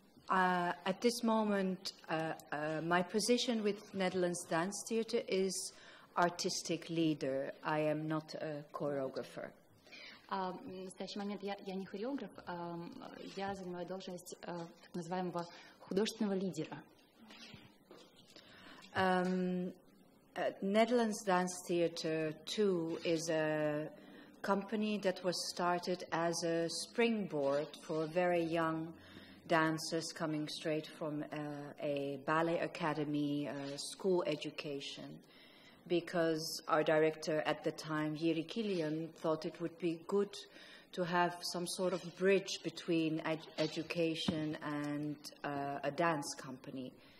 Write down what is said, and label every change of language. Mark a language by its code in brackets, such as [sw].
[en] At this moment, my position with Netherlands Dance Theatre is artistic leader. I am not a choreographer. [ru] В настоящий момент я не хореограф, я занимаю должность так называемого художественного лидера. [en] Netherlands Dance Theatre too is a company that was started as a springboard for very young dancers coming straight from a ballet academy, school education, because our director at the time, Jiri Killian, thought it would be good to have some sort of bridge between education and a dance company.